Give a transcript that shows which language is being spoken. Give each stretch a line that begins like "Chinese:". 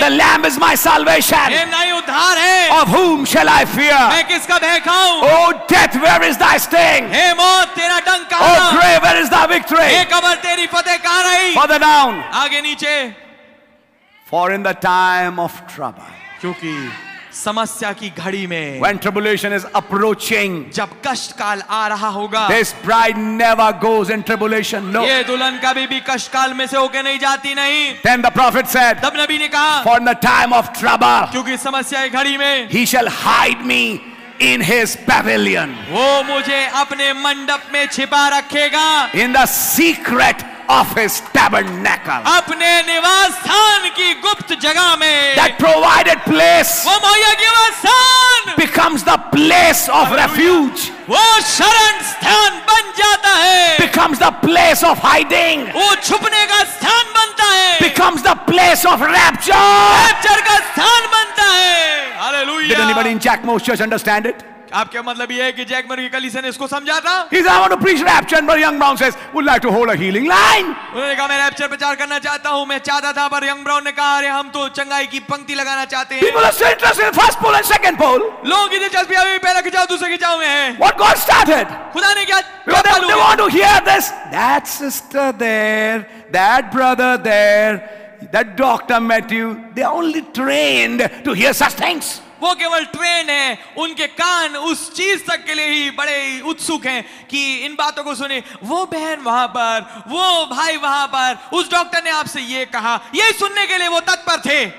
English: The Lamb is my salvation.
Hindi: मेमना ही उद्धार है.
English: Of whom shall I fear?
Hindi: मैं किसका भय खाऊं?
English: Oh death, where is thy sting?
Hindi: हे मौत, तेरा डंक कहाँ?
English: Oh grave, where is thy victory?
Hindi: हे कब्र, तेरी फतेह कहाँ रही?
English: Further down.
Hindi: आगे नीचे.
English: For in the time of trouble.
Hindi: क्योंकि समस्या की घड़ी में.
English: When tribulation is approaching.
Hindi: जब कष्ट काल आ रहा होगा.
English: This bride never goes in tribulation. No.
Hindi: ये दुल्हन कभी भी कष्ट काल में से होके नहीं जाती नहीं.
English: Then the prophet said.
Hindi: तब नबी ने कहा.
English: For in the time of trouble.
Hindi: क्योंकि समस्या की घड़ी में.
English: He shall hide me in his pavilion.
Hindi: वो मुझे अपने मंडप में छिपा रखेगा.
English: In the secret. Of his tabernacle.
Hindi: अपने निवास स्थान की गुप्त जगह में.
English: That provided place.
Hindi: वो मुहैया के निवास स्थान.
English: Becomes the place of refuge.
Hindi: वो शरण स्थान बन जाता है.
English: Becomes the place of hiding.
Hindi: वो छुपने का स्थान बनता है.
English: Becomes the place of rapture.
Hindi: Rapture का स्थान बनता है. Hallelujah.
English: Did anybody in Jack Moore's church understand it?
Hindi: आपके मतलब ये है कि जैक मर्गी कलीसिया ने इसको समझा था?
English: He said, I want to preach rapture, but Young Brown says, would like to hold a healing line.
Hindi: उन्होंने कहा मैं रैप्चर प्रचार करना चाहता हूँ, मैं चाहता था, पर यंग ब्राउन ने कहा अरे हम तो चंगाई की पंक्ति लगाना चाहते हैं।
English: People are so interested in first pole and second pole.
Hindi: लोगों की दिलचस्पी अभी पहले खिंचाव दूसरे खिंचाव में है।
English: What God started?
Hindi: खुदा ने क्या?
English: They want to hear this. That sister there, that brother there, that doctor met you. They are only trained to hear such things.
Hindi: वो केवल ट्रेन है, उनके कान उस चीज तक के लिए ही बड़े उत्सुक हैं कि इन बातों को सुने। वो बहन वहां पर, वो भाई वहां पर, उस डॉक्टर ने आपसे ये कहा, ये सुनने के लिए वो तत्पर थे।